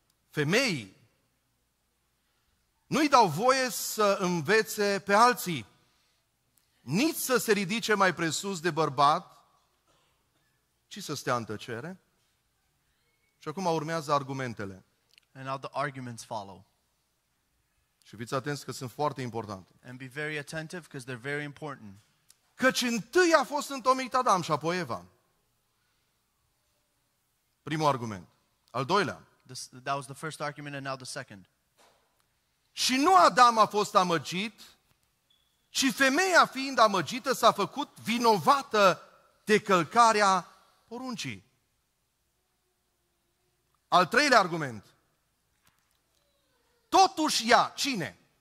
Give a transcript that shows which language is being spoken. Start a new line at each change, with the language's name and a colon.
Romanian: Femeii nu-i dau voie să învețe pe alții, nici să se ridice mai presus de bărbat, ci să stea în tăcere. Și acum urmează argumentele.
English: And now the arguments follow.
Romanian: Și fiți atenți că sunt foarte importante.
English: And be very attentive because they're very important.
Romanian: Căci întâi a fost întomit Adam și apoi Eva. Primul argument. Al doilea.
English: That was the first argument and now the second.
Romanian: Și nu Adam a fost amăgit, ci femeia fiind amăgită s-a făcut vinovată de călcarea poruncii. Al treilea argument. Totuși ea, cine?